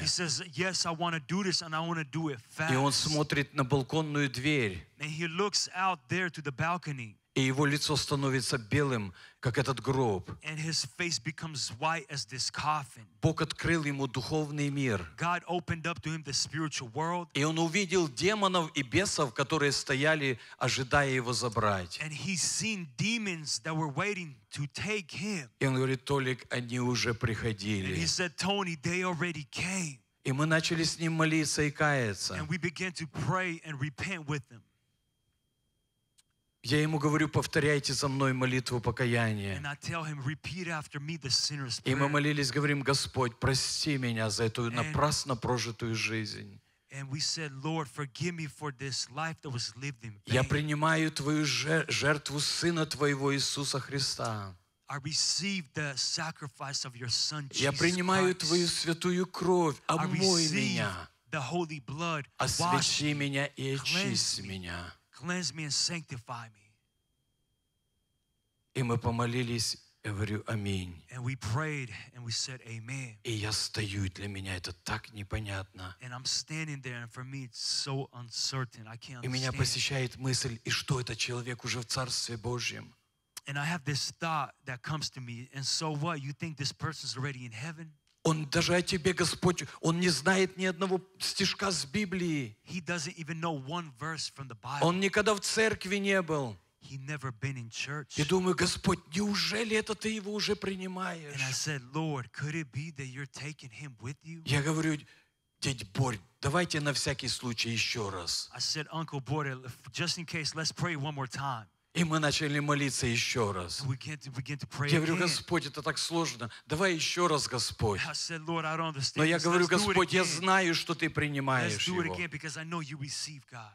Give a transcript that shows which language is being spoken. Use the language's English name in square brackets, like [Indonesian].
[English] He says, yes, I want to do this, and I want to do it fast. [Russian] И он смотрит на балконную дверь. [English] And he looks out there to the balcony. [Russian] И его лицо становится белым, как этот гроб. [English] And his face becomes white as this coffin. [Russian] Бог открыл ему духовный мир. [English] God opened up to him the spiritual world. [Russian] И он увидел демонов и бесов, которые стояли, ожидая его забрать. [English] And he seen demons that were waiting to take him. [Russian] И он говорит, Толик, они уже приходили. [English] And he said, Tony, they already came. [Russian] И мы начали с ним молиться и каяться. [English] And we began to pray and repent with him. [Russian] Я ему говорю, повторяйте за мной молитву покаяния. [English] And I tell him, repeat after me the sinner's prayer. [Russian] И мы молились, говорим, Господь, прости меня за эту напрасно прожитую жизнь. [English] And we said, Lord, forgive me for this life that was lived in vain. [Russian] Я принимаю твою жертву Сына Твоего Иисуса Христа. [English] I receive the sacrifice of your Son, Jesus Christ. [Russian] Я принимаю твою святую кровь, омой меня. [English] The holy blood, [Russian] освящи меня и очисти меня. [English] Cleanse me and sanctify me. [Russian] И мы помолились, я говорю, аминь. [English] And we prayed and we said amen. [Russian] И я стою, для меня это так непонятно. [English] And I'm standing there and for me it's so uncertain. I can't understand. [Russian] И меня посещает мысль, и что этот человек уже в Царстве Божьем? [English] And I have this thought that comes to me, and so what? You think this person's already in heaven? [Russian] Он даже о тебе, Господь, он не знает ни одного стишка с Библии. [English] He doesn't even know one verse from the Bible. [Russian] Он никогда в церкви не был. [English] He never been in church. [Russian] И думаю, Господь, неужели это ты его уже принимаешь? [English] And I said, Lord, could it be that you're taking him with you? [Russian] Я говорю, дядь Борь, давайте на всякий случай еще раз. [English] I said, Uncle Borya, just in case, let's pray one more time. [Russian] И мы начали молиться еще раз. Я говорю, Господь, это так сложно. Давай еще раз, Господь. Но я говорю, Господь, я знаю, что Ты принимаешь его.